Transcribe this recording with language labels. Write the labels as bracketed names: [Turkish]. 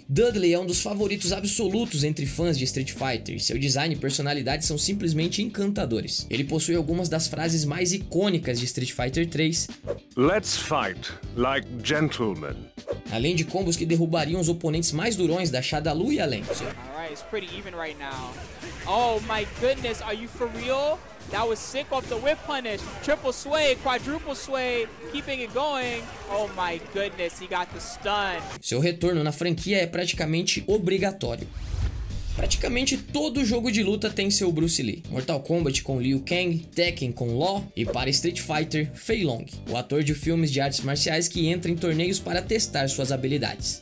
[Portuguese] Dudley é um dos favoritos absolutos entre fãs de Street Fighter, seu design e personalidade são simplesmente encantadores. Ele possui algumas das frases mais icônicas de Street Fighter 3. [English] Let's fight like gentlemen. [Portuguese] Além de combos que derrubariam os oponentes mais durões da Shadaloo e além. [English] It's pretty even right now. Oh my goodness, are you for real? That was sick off the whip punish. Triple sway, quadruple sway, keeping it going. Oh my goodness, he got the stun. [Portuguese] Seu retorno na franquia é praticamente obrigatório. Praticamente todo jogo de luta tem seu Bruce Lee. Mortal Kombat com Liu Kang, Tekken com Law e para Street Fighter, Fei Long, o ator de filmes de artes marciais que entra em torneios para testar suas habilidades.